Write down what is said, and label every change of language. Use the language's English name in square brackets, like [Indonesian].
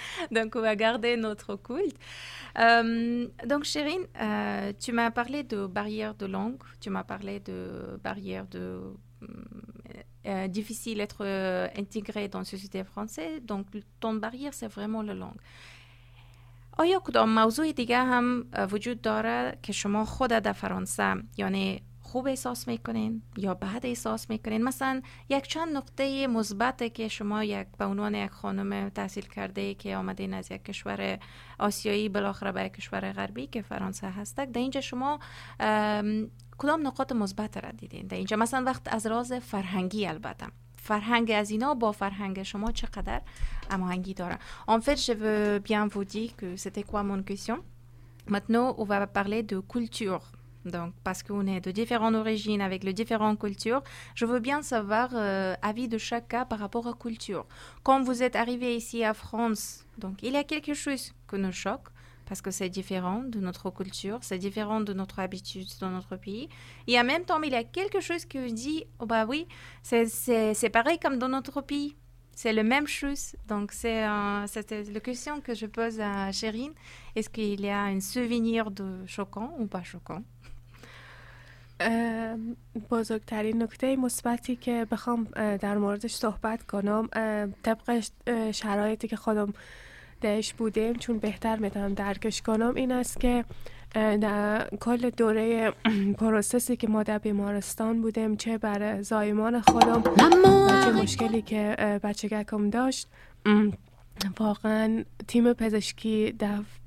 [French] Donc, on va garder notre culte. Donc, Chérine, tu m'as parlé de barrière de langue, tu m'as parlé de barrière de. Difficile d'être intégré dans la société française, donc ton barrière c'est vraiment la langue. [Persian] آیا کدام موضوع دیگه هم وجود داره که شما خود در فرانسه یعنی خوب احساس میکنین یا بد احساس میکنین؟ مثلا یک چند نقطه مثبت که شما یک به عنوان یک خانم تحصیل کرده که آمدین از یک کشور آسیایی بالاخره به یک کشور غربی که فرانسه هستک، در اینجا شما کدام نقاط مثبت را دیدین در اینجا؟ مثلا وقت از راز فرهنگی، البته فرهنگ از اینا با فرهنگ شما چقدر هماهنگی داره؟ [French] En fait, je veux bien vous dire que c'était quoi mon question. Maintenant, on va parler de culture. Donc, parce qu'on est de différentes origines avec les différentes cultures, je veux bien savoir l'avis de chaque cas par rapport à culture. Quand vous êtes arrivé ici à France, donc il y a quelque chose qui nous choque parce que c'est différent de notre culture, c'est différent de notre habitude dans notre pays. Et en même temps, il y a quelque chose qui dit, oh bah oui, c'est pareil comme dans notre pays. C'est la même chose. Donc, c'était la question que je pose à Chérine. Est-ce qu'il y a un souvenir de choquant ou pas choquant? [Persian] بزرگترین نکته مثبتی که بخوام در موردش صحبت کنم طبق شرایطی که خودم دهش بودم چون بهتر میتونم درکش کنم این است که در کل دوره پروسسی که ما در بیمارستان بودم چه بر زایمان خودم و چه مشکلی که بچگکم داشت واقعا تیم پزشکی در